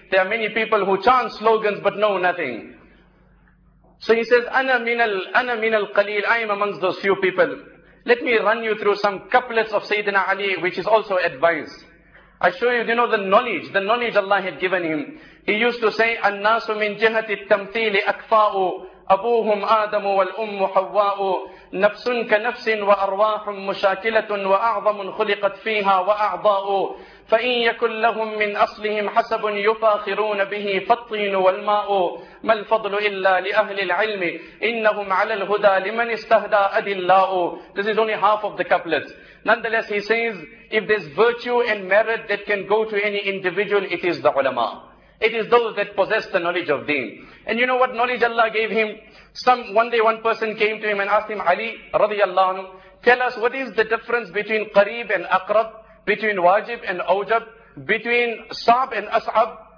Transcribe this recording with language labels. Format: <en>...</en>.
<en>There are many people who chant slogans but know nothing. So he says,</en> <ar>أنا من القليل.</ar> <en>I am amongst those few people. Let me run you through some couplets of Sayyidina Ali, which is also advice. I show you, you know, the knowledge Allah had given him. He used to say,</en> <ar>النَّاسُ مِنْ جِهَةِ التَّمْثِيلِ أَكْفَاءُ أبوهم آدم والأم حواء نفس كنفس وأرواح مشاكلة وأعظم خلقت فيها وأعضاء فإن يكن لهم من أصلهم حسب يفاخرون به فالطين والماء ما الفضل إلا لأهل العلم إنهم على الهدى لمن استهدى أدلاء.</ar> <en>This is only half of the couplets. Nonetheless, he says, if there's virtue and merit that can go to any individual, it is the ulama. It is those that possess the knowledge of deen. And you know what knowledge Allah gave him? One day one person came to him and asked him, Ali radiallahu anhu, tell us what is the difference between qareeb and aqrab, between wajib and awjab, between sa'ab and as'ab.</en>